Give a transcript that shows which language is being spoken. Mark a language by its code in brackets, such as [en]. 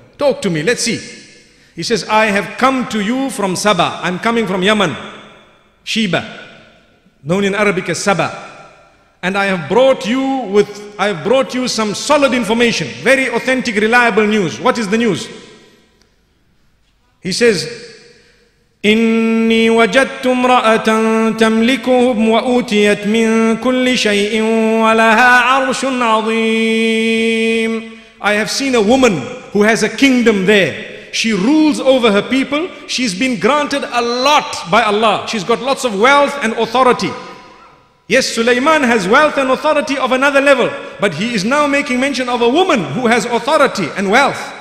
[en] Talk to me, let's see. He says, I have come to you from Saba. I'm coming from Yemen. Sheba, known in Arabic as Saba. And I have brought you with, I have brought you some solid information, very authentic, reliable news. What is the news? He says, [ar] إني وجدت امرأة تملكهم وأوتيت من كل شيء ولها عرش عظيم. [en] I have seen a woman who has a kingdom there. She rules over her people. She's been granted a lot by Allah. She's got lots of wealth and authority. Yes, Suleyman has wealth and authority of another level, but he is now making mention of a woman who has authority and wealth.